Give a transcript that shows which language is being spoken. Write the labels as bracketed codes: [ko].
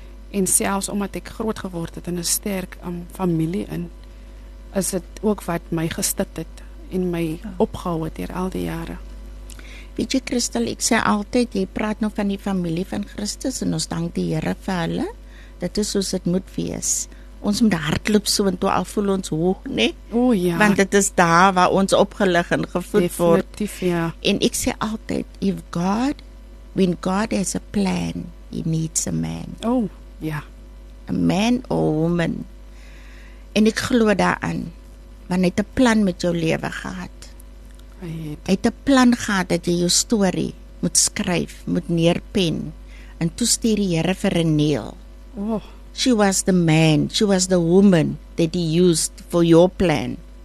[af] En selfs omdat ek groot geword het in 'n sterk familie in, is dit ook wat my gestit het en my opgehou het deur al die jare. Weet jy, Christel, ek sê altyd, jy praat nou van die familie van Christus en ons dank die Heere vir hulle. Dit is soos dit moet wees. Ons moet hardloop so, want toe al voel ons hoog, nee? O, ja. Want het is daar waar ons opgelig en gevoed word. Definitief, ja. En ek sê altyd, [en] if God, when God has a plan, he needs a man. [af] O, ja. [en] A man or a woman. [af] En ek glo daaraan, want hy het 'n plan met jou lewe gehad. Hy het 'n plan gehad dat jy jou story moet skryf, moet neerpen, en toestuur die Here vir 'n neel. Oh. [en] She was the man, she was the woman that he used for your plan.